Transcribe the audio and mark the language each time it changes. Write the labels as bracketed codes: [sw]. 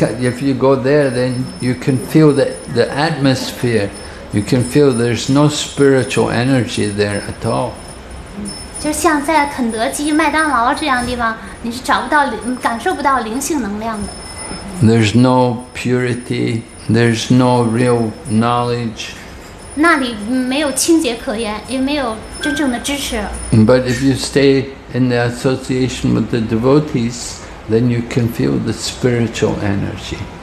[en] If you go there, then you can feel the atmosphere. You can feel there's no spiritual energy there at all. [zh] 就像在肯德基、麦当劳这样的地方，你是找不到、感受不到灵性能量的。 [en] There's no purity. There's no real knowledge. [zh] 那里没有清洁可言，也没有真正的知识。 [en] But if you stay in the association with the devotees, then you can feel the spiritual energy.